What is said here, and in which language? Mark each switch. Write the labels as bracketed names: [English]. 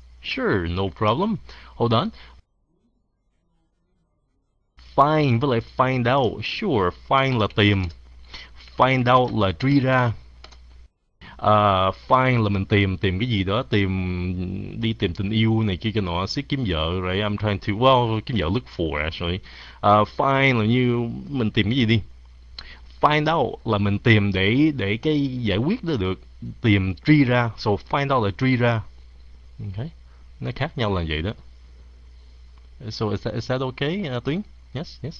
[English] Sure, no problem. Hold on. [Vietnamese] Find với lại find out. [English] Sure, [Vietnamese] find là tìm. Find out là truy ra. Find là mình tìm cái gì đó, đi tìm tình yêu này kia cái nọ, siết kiếm vợ, [English] right? I'm trying to, [Vietnamese] kiếm vợ [English] look for, actually. [Vietnamese] Find là như mình tìm cái gì đi. Find out là mình tìm để cái giải quyết đó được, tìm truy ra. So find out là truy ra. [English] Okay. [Vietnamese] Nó khác nhau là vậy đó. [English] So is that okay, Tuyến? Yes.